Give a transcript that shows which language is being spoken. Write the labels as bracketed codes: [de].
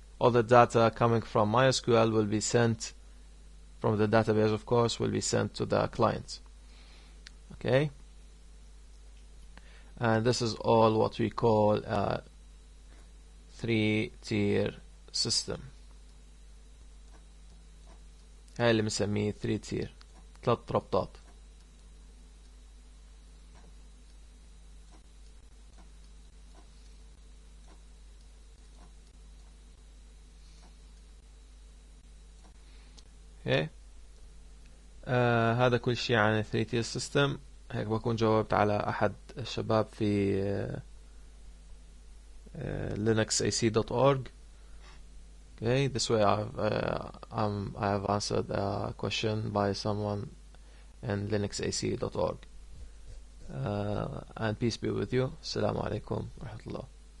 [en] All the data coming from MySQL will be sent from the database, of course, will be sent to the client. Okay, and this is all what we call a three-tier system. [ar] هاي اللي مسميه 3 tier، ثلاث ربطات. هذا كل شيء عن 3 tier system. هيك بكون جاوبت على أحد الشباب في linuxac.org. [en] Okay, this way I have answered a question by someone in linuxac.org. And peace be with you. [ar] Assalamu alaikum wa rahmatullah.